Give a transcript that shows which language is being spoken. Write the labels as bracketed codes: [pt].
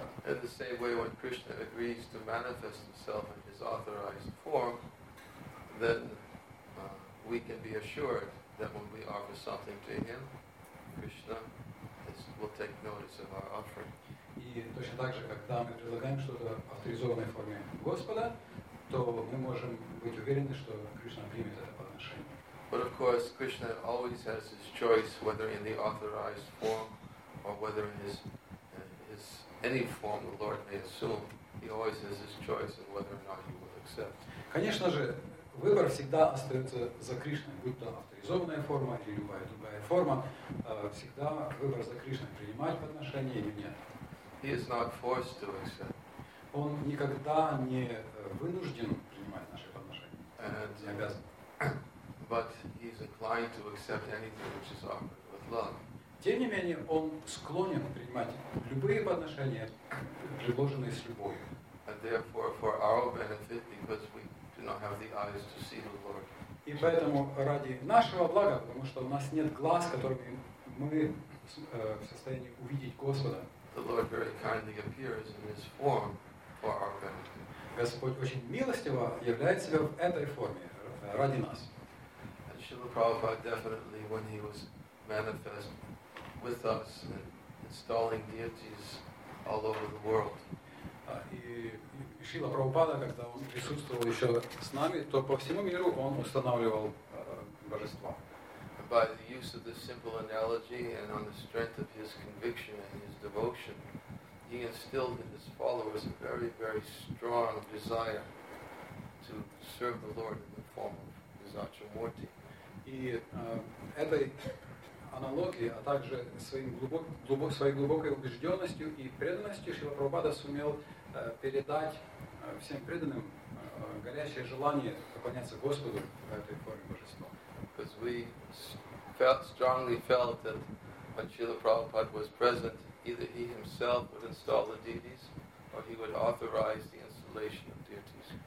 [en] in the same way, when Krishna agrees to manifest himself in his authorized form, then we can be assured that when we offer something to him, Krishna will take notice of our offering. [ru] И точно так же, когда мы предлагаем что-то в авторизованной форме Господа, то мы можем быть уверены, что Кришна примет это подношение. [en] But of course, Krishna always has his choice whether in the authorized form or whether in his any form the Lord may assume, he always has his choice in whether or not he will accept. [ru] Конечно же, выбор всегда остается за Кришной, будь то авторизованная форма или любая другая форма, всегда выбор за Кришной, принимать подношение или нет. [en] He is not forced to accept. [ru] Он никогда не вынужден принимать наши подношения. And, не обязан. [en] But he is inclined to accept anything which is offered with love. [ru] Тем не менее, он склонен принимать любые подношения, предложенные с любовью. [en] And therefore, for our benefit, because we do not have the eyes to see the Lord. [ru] И поэтому ради нашего блага, потому что у нас нет глаз, которыми мы в состоянии увидеть Господа. [en] The Lord very kindly appears in His form for our benefit. [ru] Господь очень милостиво являет себя в этой форме ради нас. [en] And Srila Prabhupada definitely, when he was manifest with us and installing deities all over the world. [ru] И Шрила Прабхупада, когда он присутствовал еще с нами, то по всему миру он устанавливал божества. [en] By the use of this simple analogy and on the strength of his conviction and his devotion, he instilled in his followers a very, very strong desire to serve the Lord in the form of his Arjamurti. [ru] И этой аналогии, а также своей глубокой убежденностью и преданностью Шрила Прабхупада сумел передать всем преданным горячее желание поклоняться Господу в этой форме божества. [en] Because we strongly felt that when Srila Prabhupada was present, either he himself would install the deities or he would authorize the installation of deities.